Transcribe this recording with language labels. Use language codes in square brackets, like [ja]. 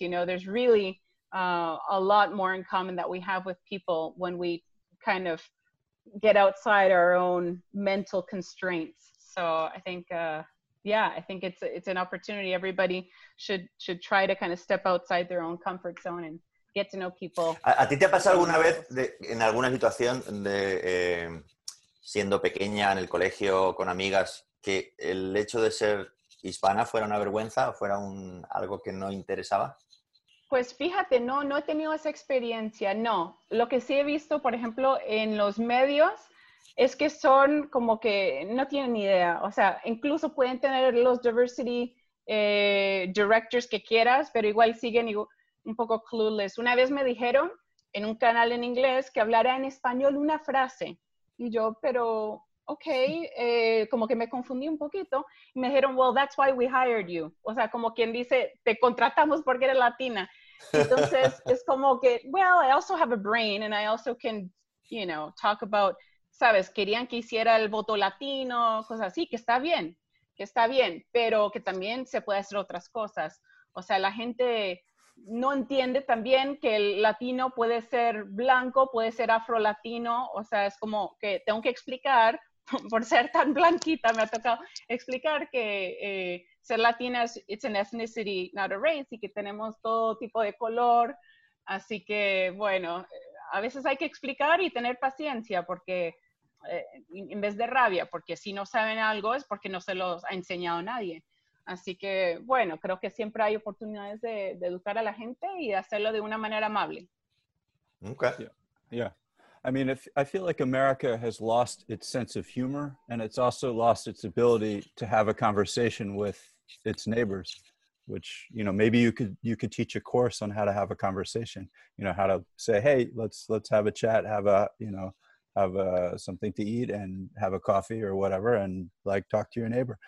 [en] You know, there's really a lot more in common that we have with people when we kind of get outside our own mental constraints. So I think, I think it's an opportunity. Everybody should try to kind of step outside their own comfort zone and get to know people. [es] ¿A ti te ha pasado alguna vez en alguna situación de siendo pequeña en el colegio con amigas que el hecho de ser hispana fuera una vergüenza o fuera algo que no interesaba? Pues fíjate, no he tenido esa experiencia, no. Lo que sí he visto, por ejemplo, en los medios, es que son como que no tienen ni idea. O sea, incluso pueden tener los [en] diversity directors [es] que quieras, pero igual siguen un poco clueless. Una vez me dijeron en un canal en inglés que hablara en español una frase. Y yo, pero, ok, como que me confundí un poquito. Y me dijeron, [en] well, that's why we hired you. [es] O sea, como quien dice, te contratamos porque eres latina. Entonces, es como que, [en] well, I also have a brain and I also can, you know, talk about, [es] ¿sabes? Querían que hiciera el voto latino, cosas así, que está bien, pero que también se puede hacer otras cosas. O sea, la gente no entiende también que el latino puede ser blanco, puede ser afro-latino, o sea, es como que tengo que explicar, por ser tan blanquita me ha tocado explicar que ser latina es [en] it's an ethnicity, not a race, [es] y que tenemos todo tipo de color, así que, bueno, a veces hay que explicar y tener paciencia, porque en vez de rabia, porque si no saben algo es porque no se los ha enseñado nadie. Así que, bueno, creo que siempre hay oportunidades de educar a la gente y hacerlo de una manera amable. [en] Okay. Yeah. I mean, I feel like America has lost its sense of humor, and it's also lost its ability to have a conversation with its neighbors, which, you know, maybe you could teach a course on how to have a conversation, you know, how to say, hey, let's have a chat, have something to eat and have a coffee or whatever and like talk to your neighbor.